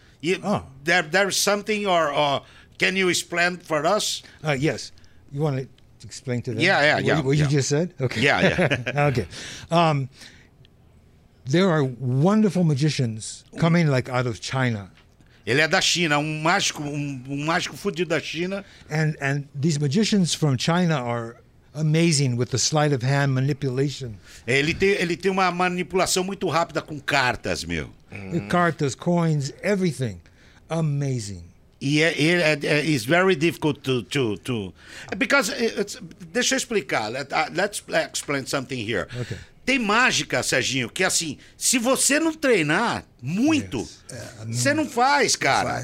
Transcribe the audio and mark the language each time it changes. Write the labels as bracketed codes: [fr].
[en] There is something, or can you explain for us? Yes. You want to explain to them? What you just said? Okay. Yeah. Okay. There are wonderful magicians coming like out of China. [pt] Ele é da China, um mágico fudido da China. [en] And these magicians from China are amazing with the sleight of hand manipulation. [pt] Ele tem uma manipulação muito rápida com cartas, meu. Cartas, [en] coins, everything. Amazing. It's very difficult to because it's, [pt] deixa eu explicar. [en] Let's explain something here. Okay. [pt] Tem mágica, Serginho, que assim, se você não treinar muito, você não faz, cara.